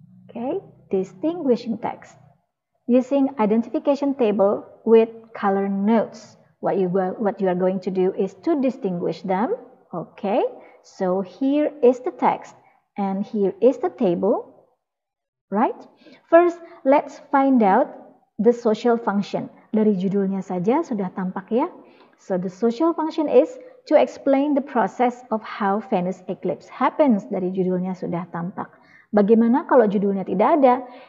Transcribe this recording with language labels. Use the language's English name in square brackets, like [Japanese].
[English] Okay, distinguishing text. Using identification table with color notes. What you are going to do is to distinguish them. Okay, so here is the text and here is the table. Right? First, let's find out the social function. [Indonesian] Dari judulnya saja sudah tampak ya. [English] So the social function is to explain the process of how Venus eclipse happens. [Indonesian] Dari judulnya sudah tampak. Bagaimana kalau judulnya tidak ada?